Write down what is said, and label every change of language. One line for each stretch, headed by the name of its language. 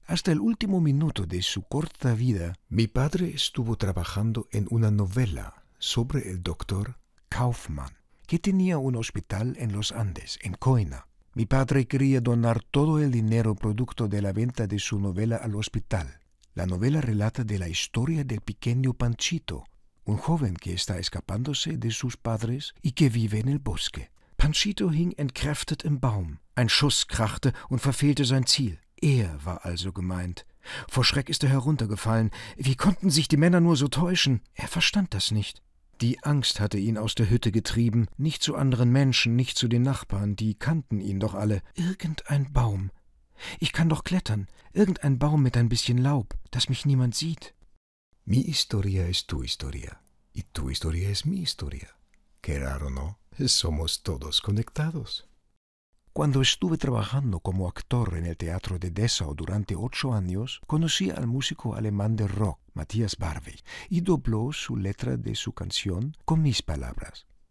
Spanish: Hasta el último minuto de su corta vida, mi padre estuvo trabajando en una novela sobre el doctor Kaufman, que tenía un hospital en los Andes, en Coina. Mi padre quería donar todo el dinero producto de la venta de su novela al hospital. La novela relata de la historia del pequeño Panchito, un joven que está escapándose de sus padres y que vive en el bosque.
German: Panchito hing entkräftet im Baum. Ein Schuss krachte und verfehlte sein Ziel. War also gemeint. Vor Schreck ist heruntergefallen. Wie konnten sich die Männer nur so täuschen? Verstand das nicht. Die Angst hatte ihn aus der Hütte getrieben. Nicht zu anderen Menschen, nicht zu den Nachbarn, die kannten ihn doch alle. Irgendein Baum. Ich kann doch klettern. Irgendein Baum mit ein bisschen Laub, dass mich niemand sieht.
Spanish: Mi historia es tu historia, y tu historia es mi historia. Qué raro, ¿no? Somos todos conectados. Cuando estuve trabajando como actor en el Teatro de Dessau durante 8 años, conocí al músico alemán de rock, Matthias Barwig, y dobló su letra de su canción con mis palabras.